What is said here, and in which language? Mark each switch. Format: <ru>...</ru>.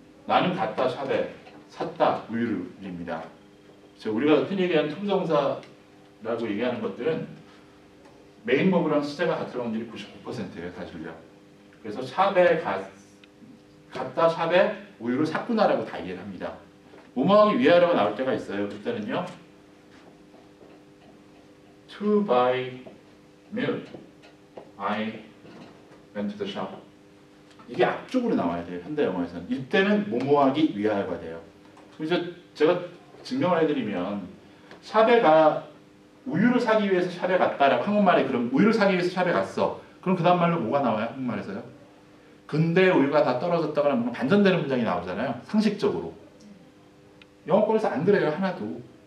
<ko>나는 갔다 샵에 샀다 우유를입니다. 우리가 흔히 얘기하는 투부정사라고 얘기하는 것들은 메인 버브랑 시제가 같은 확률이 99%예요. 사실요. 그래서 샵에 갔다 샵에 우유를 샀구나라고 다 이해를 합니다. 모모하기 위하여가 나올 때가 있어요. 그때는요.</ko> <en>To buy milk, I went to the shop.</en> <ko>이게 앞쪽으로 나와야 돼요. 현대 영어에서는. 이때는 모모하기 위하여가 돼요. 그래서 제가 증명을 해드리면 샵에 가 우유를 사기 위해서 샵에 갔다라고 한국말에 그럼 우유를 사기 위해서 샵에 갔어. 그럼 그 다음 말로 뭐가 나와요? 한국말에서요? 근데 우유가 다 떨어졌다거나 뭔가 반전되는 문장이 나오잖아요. 상식적으로. 영어권에서 안 그래요. 하나도.</ko>